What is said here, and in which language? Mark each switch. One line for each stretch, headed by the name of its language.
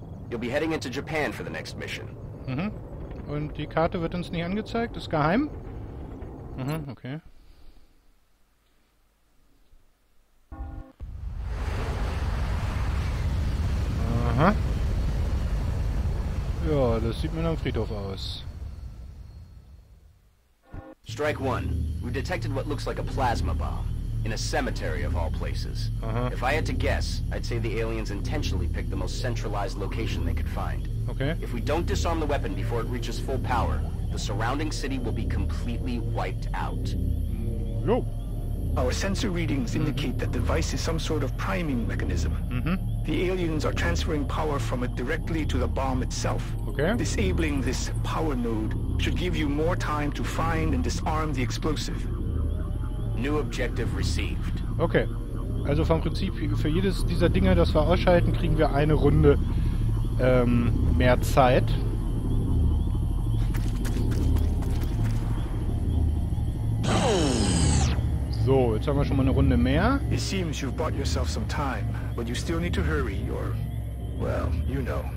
English: You'll be heading into Japan for the next mission. Mhm.
German: Und die Karte wird uns nicht angezeigt, ist geheim. Mhm, okay. Aha. Ja, das sieht mir nach einem Friedhof aus.
English: Strike One, we've detected what looks like a plasma bomb. In a cemetery of all places. Aha. If I had to guess, I'd say the aliens intentionally picked the most centralized location they could find. Okay. If we don't disarm the weapon before it reaches full power, the surrounding city will be completely wiped out. No. Our sensor readings indicate that the device is some sort of priming mechanism. Mm-hmm. The aliens are transferring power from it directly to the bomb itself. Okay. Disabling this power node should give you more time to find and disarm the explosive. New objective received. Okay.
German: Also vom Prinzip, für jedes dieser Dinger, das wir ausschalten, kriegen wir eine Runde mehr Zeit. So, jetzt haben wir schon mal eine Runde mehr.
English: It seems you've bought yourself some time, but you still need to hurry, or, well, you know.